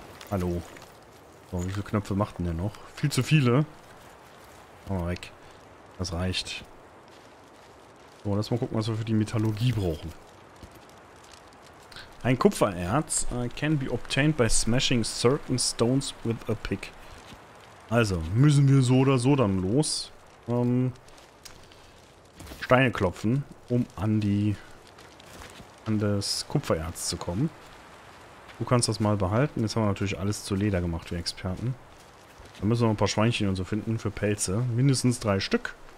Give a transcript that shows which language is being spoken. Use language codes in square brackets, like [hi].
[de] Hallo. So, wie viele Knöpfe macht denn der noch? Viel zu viele. Machen wir weg. Das reicht. So, lass mal gucken, was wir für die Metallurgie brauchen. [en] Ein Kupfererz can be obtained by smashing certain stones with a pick. [de] Also, müssen wir so oder so dann los. Steine klopfen, um an die... an das Kupfererz zu kommen. Du kannst das mal behalten. Jetzt haben wir natürlich alles zu Leder gemacht, wir Experten. Da müssen wir noch ein paar Schweinchen und so finden für Pelze. Mindestens 3 Stück.